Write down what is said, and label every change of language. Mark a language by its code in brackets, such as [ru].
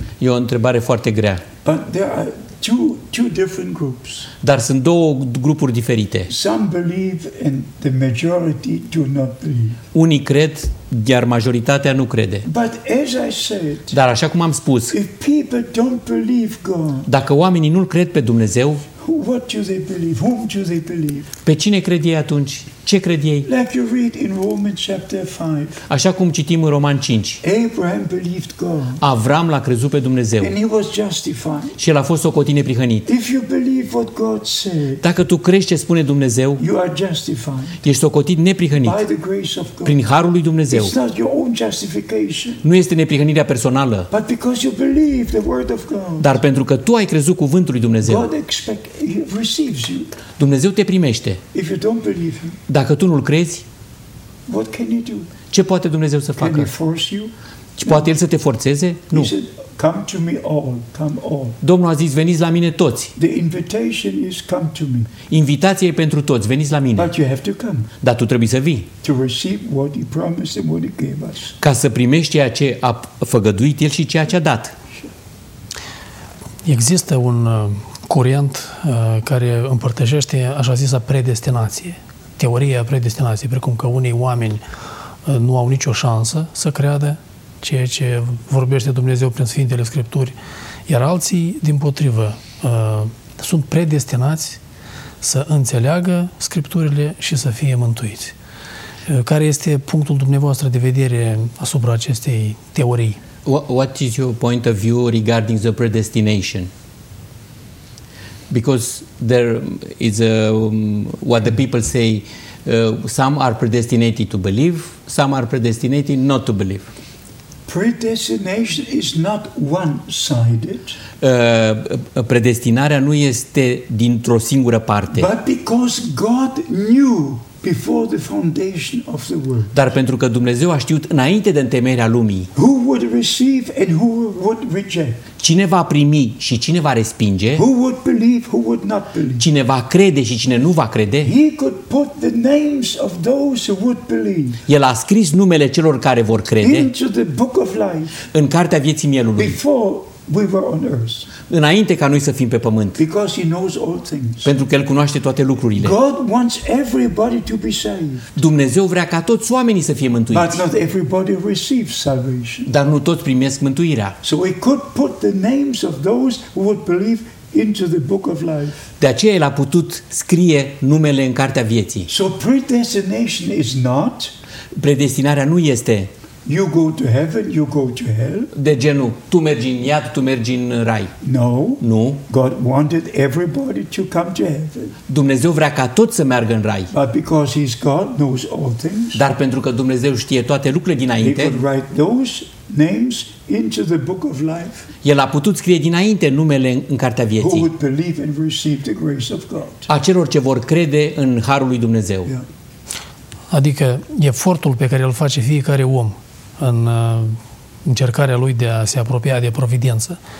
[ro] E o întrebare foarte grea. [en] But there are two different groups. [ro] Dar sunt două grupuri diferite. [en] Some believe and the majority do not believe. [ro] Unii cred, iar majoritatea nu crede. [en] But as I said, [ro] dar așa cum am spus, [en] if people don't believe God, [ro] dacă oamenii nu-l cred pe Dumnezeu, [en] what do they believe? Whom do they believe? [ro] Pe cine cred ei atunci? Ce cred ei? [en] Like you read in Romans chapter 5. [ro] Așa cum citim în Roman 5. [en] Abraham believed God. [ro] Avram l-a crezut pe Dumnezeu. [en] And he was justified. [ro] Și el a fost socotit neprihănit. [en] If you believe what God said. [ro] Dacă tu crezi ce spune Dumnezeu, [en] you are justified. [ro] Ești socotit neprihănit. [en] By the grace of God. [ro] Prin harul lui Dumnezeu. [en] It's not your own justification. [ro] Nu este neprihănirea personală. [en] But because you believe the word of God. [ro] Dar pentru că tu ai crezut cuvântul lui Dumnezeu. [en] God receives you. [ro] Dumnezeu te primește. [en] If you don't believe him. [ro] Dacă tu nu-L crezi, [en] what can he do? [ro] Ce poate Dumnezeu să facă? [en] Can he force you? [ro] Poate El să te forțeze? Nu. [en] He said, come to me all, come all. [ro] Domnul a zis, veniți la mine toți. [en] The invitation is, come to me. [ro] Invitația e pentru toți, veniți la mine. [en] But you have to come. [ro] Dar tu trebuie să vii. [en] To receive what he promised and what he gave us. [ro] Ca să primești ceea ce a făgăduit El și ceea ce a dat. Există un curent care împărtășește așa zisa predestinație. Teoria predestinației, precum că unii oameni nu au nicio șansă să creadă ceea ce vorbește Dumnezeu prin Sfintele Scripturi, iar alții, dimpotrivă, sunt predestinați să înțeleagă Scripturile și să fie mântuiți. Care este punctul dumneavoastră de vedere asupra acestei teorii? [en] What is your point of view regarding the predestination? Because there is a, what the people say, some are predestinated to believe, some are predestinated not to believe. Predestination is not one-sided. [ro] Predestinarea nu este dintr-o singură parte. [en] But because God knew before the foundation of the world. [ro] Dar pentru că Dumnezeu a știut înainte de întemeierea lumii. [en] Who would receive and who would reject? [ro] Cine va primi și cine va respinge? [en] Who would believe, who would not believe? [ro] Cine va crede și cine nu va crede? [en] He could put the names of those who would believe. [ro] El a scris numele celor care vor crede. [en] Into the book of life. [ro] În cartea vieții mielului. [en] Before we were on earth. [ro] Înainte ca noi să fim pe pământ. [en] Because he knows all things. [ro] Pentru că El cunoaște toate lucrurile. [en] God wants everybody to be saved. [ro] Dumnezeu vrea ca toți oamenii să fie mântuiți. [en] But not everybody receives salvation. [ro] Dar nu toți primesc mântuirea. [en] So we could put the names of those who would believe into the book of life. [ro] De aceea El a putut scrie numele în cartea vieții. [en] So predestination is not. [ro] Predestinarea nu este. [en] You go to heaven, you go to hell. [ro] De genul, tu mergi în iad, tu mergi în rai. [en] No. [ro] Nu. [en] God wanted everybody to come to heaven. [ro] Dumnezeu vrea ca toți să meargă în rai. [en] But because he's God, knows all things. [ro] Dar pentru că Dumnezeu știe toate lucrurile dinainte. [en] He could write those names into the book of life. [ro] El a putut scrie dinainte numele în cartea vieții. [en] Who would believe and receive the grace of God. [ro] A celor ce vor crede în harul lui Dumnezeu. [en] Yeah. [ro] Adică efortul pe care îl face fiecare om în încercarea lui de a se apropia de providență.